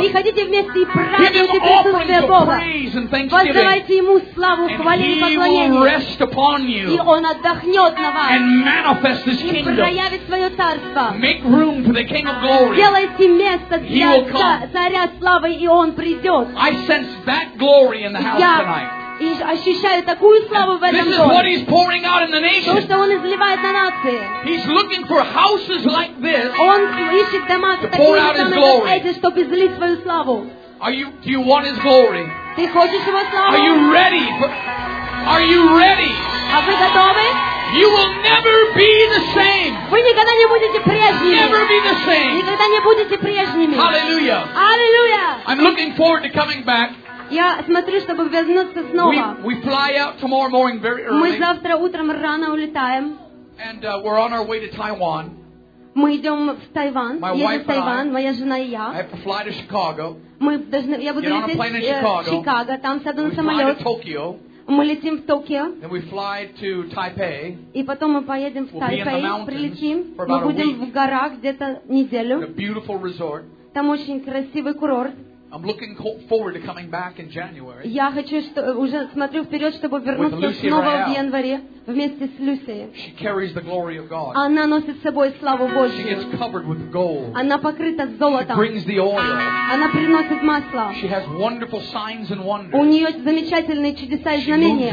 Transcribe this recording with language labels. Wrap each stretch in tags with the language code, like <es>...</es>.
<ru>Приходите вместе и празднуйте присутствие Бога. Воздавайте ему славу, хвалу и поклонение. И он отдохнет на вас.</ru> <en>And manifest this kingdom.</en> <ru>И проявит свое царство.</ru> <en>Make room for the King of Glory.</en> <ru>Делайте место для царя славы, и он придет.</ru> <en>I sense that glory in the house tonight.</en> <ru>И ощущаю такую славу в этом доме.</ru> <en>What he's pouring out in the nation.</en> <ru>То, что он изливает на нации.</ru> <en>He's looking for houses like this.</en> <ru>Он ищет дома с такими домами, как эти, чтобы излить свою славу.</ru> <en>Are you, do you want his glory?</en> <ru>Ты хочешь его славу?</ru> <en>Are you ready for, are you ready?</en> <ru>А вы готовы?</ru> <en>You will never be the same.</en> <ru>Вы никогда не будете прежними.</ru> <en>Never be the same.</en> <ru>Никогда не будете прежними.</ru> <en>Hallelujah. Hallelujah. I'm looking forward to coming back.</en> <ru>Я смотрю, чтобы вернуться снова.</ru> <en>We fly out tomorrow morning very early.</en> <ru>Мы завтра утром рано улетаем.</ru> <en>And we're on our way to Taiwan.</en> <ru>Мы идем в Тайвань.</ru> <en>My wife</en> <ru>Тайвань,</ru> <en>and I.</en> <ru>Моя жена и я.</ru> <en>I have to fly to Chicago.</en> <ru>Мы должны, я буду лететь в Chicago. Chicago. Там сяду на</ru> <en>we</en> <ru>самолет.</ru> <en>Fly to Tokyo.</en> <ru>Мы летим в Токио.</ru> <en>Then we fly to Taipei.</en> <ru>И потом мы поедем в Тайпей.</ru> <en>We'll</en> <ru>прилетим. Мы будем в горах где-то неделю.</ru> <en>A beautiful resort.</en> <ru>Там очень красивый курорт.</ru> <en>I'm looking forward to coming back in January.</en> <ru>Я хочу, уже смотрю вперед, чтобы вернуться снова в январе вместе с Люсией.</ru> <en>She carries the glory of God.</en> <ru>Она носит с собой славу Божью.</ru> <en>She gets covered with gold.</en> <ru>Она покрыта золотом.</ru> <en>She brings the oil.</en> <ru>Она приносит масло.</ru> <en>She has wonderful signs and wonders.</en> <ru>У нее замечательные чудеса и знамения.</ru>